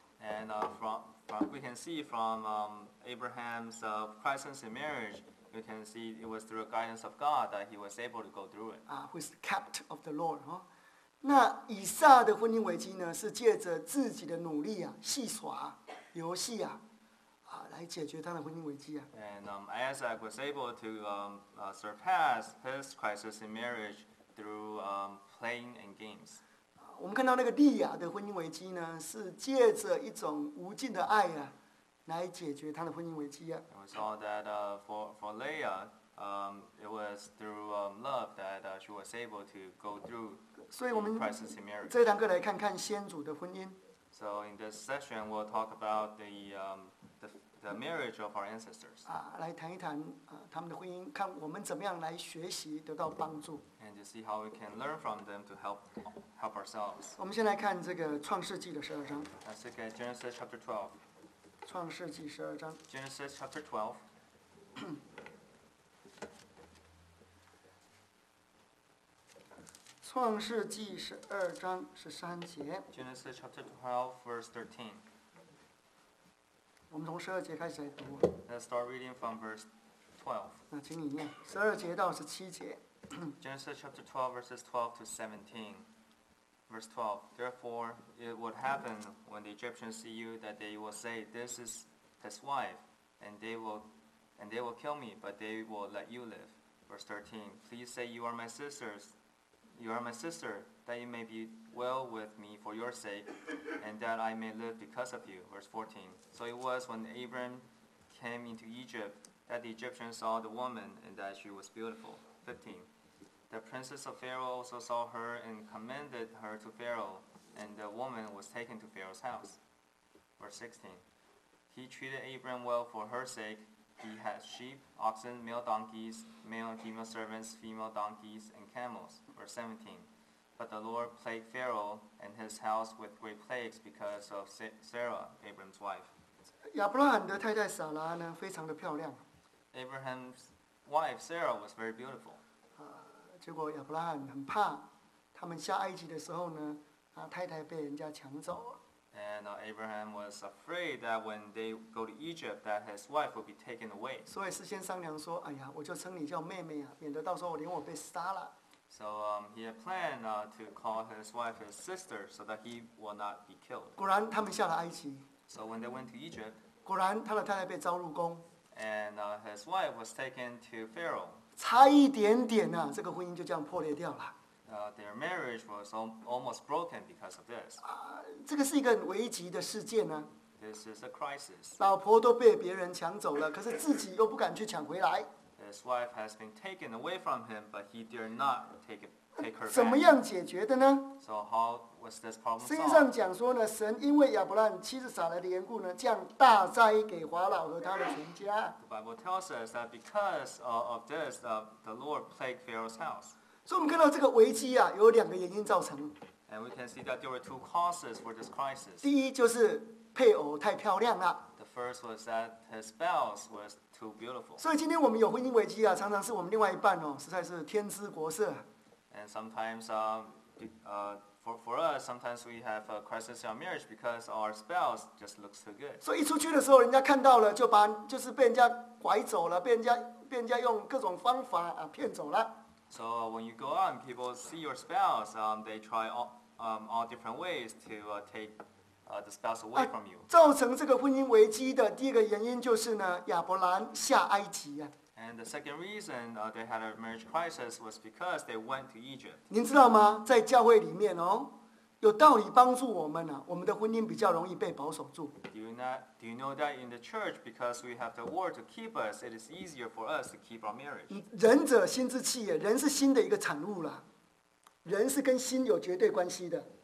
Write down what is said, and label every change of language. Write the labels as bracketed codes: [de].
[en] And from we can see from Abraham's crisis in marriage, we can see it was through the guidance of God that he was able to go through it. Who is kept of the Lord, huh? [zh] 那以撒的婚姻危机呢，是借着自己的努力啊，戏耍、游戏啊。来解决他的婚姻危机啊。 [en] And Isaac was able to surpass his crisis in marriage through playing and games. [zh] 我们看到那个利亚的婚姻危机呢，是借着一种无尽的爱啊，来解决他的婚姻危机啊。 [en] And we saw that for Leah, it was through love that she was able to go through the crisis in marriage. [zh] 这堂课来看看先祖的婚姻。 [en] So in this session, we'll talk about the marriage of our ancestors. [zh] 来谈一谈他们的婚姻，看我们怎么样来学习得到帮助。 [en] And to see how we can learn from them to help ourselves. [zh] 我们先来看这个创世纪的十二章。 [en] Let's look at Genesis chapter 12. [zh] 创世纪十二章。 [en] Genesis chapter 12. [zh] 创世纪十二章十三节。 [en] Genesis chapter 12, verse 13. [zh] 我们从十二节开始来读。 [en] Let's start reading from verse 12. [zh] 那请你念十二节到十七节。 [en] Genesis chapter 12, verses 12 to 17. Verse 12. Therefore, it would happen when the Egyptians see you that they will say, "This is his wife," and they will kill me, but they will let you live. Verse 13. Please say you are my sisters. You are my sister, that you may be well with me for your sake, and that I may live because of you. Verse 14. So it was when Abram came into Egypt that the Egyptians saw the woman and that she was beautiful. 15. The princes of Pharaoh also saw her and commended her to Pharaoh, and the woman was taken to Pharaoh's house. Verse 16. He treated Abram well for her sake. He had sheep, oxen, male donkeys, male and female servants, female donkeys, and camels. Verse 17. But the Lord plagued Pharaoh and his house with great plagues because of Sarah, Abram's wife. [zh] 亚伯拉罕的太太撒拉呢，非常的漂亮。 [en] Abraham's wife Sarah was very beautiful. [zh] 结果亚伯拉罕很怕，他们下埃及的时候呢，太太被人家抢走了。 [en] And Abraham was afraid that when they go to Egypt, that his wife would be taken away. [zh] 所以事先商量说，哎呀，我就称你叫妹妹啊，免得到时候连我被杀了。 [en] So he had planned to call his wife his sister so that he will not be killed. [zh] 果然他们下了埃及。 [en] So when they went to Egypt, [zh] 果然他的太太被招入宫。 [en] And his wife was taken to Pharaoh. [zh] 差一点点啊，这个婚姻就这样破裂掉了。 [en] Their marriage was almost broken because of this. [zh] 这个是一个危急的事件啊。 [en] This is a crisis. [zh] 老婆都被别人抢走了，可是自己又不敢去抢回来。 [en] His wife has been taken away from him, but he dare not take her back. [zh] 怎么样解决的呢？ [en] So how was this problem solved? [zh] 圣经上讲说呢，神因为亚伯兰妻子撒来的缘故呢，降大灾给法老和他的全家。 [en] The Bible tells us that because of this, the Lord plagued Pharaoh's house. [zh] 所以我们看到这个危机啊，有两个原因造成。 [en] And we can see that there were two causes for this crisis. [zh] 第一就是配偶太漂亮了。 [en] The first was that his spouse was too beautiful. [zh] 所以今天我们有婚姻危机啊，常常是我们另外一半哦，实在是天姿国色。 [en] And sometimes, for us, sometimes we have a crisis in our marriage because our spouse just looks too good. [zh] 所以一出去的时候，人家看到了，就是被人家拐走了，被人家用各种方法啊骗走了。 [en] So when you go out, people see your spouse. They try all different ways to take. The spouse away from you. [zh] 造成这个婚姻危机的第一个原因就是呢，亚伯兰下埃及啊。 [en] And the second reason they had a marriage crisis was because they went to Egypt. [zh] 您知道吗？在教会里面哦，有道理帮助我们呢、啊，我们的婚姻比较容易被保守住。 [en] Do you know that in the church, because we have the word to keep us, it is easier for us to keep our marriage. [zh] 人者心之气也，人是心的一个产物啦，人是跟心有绝对关系的。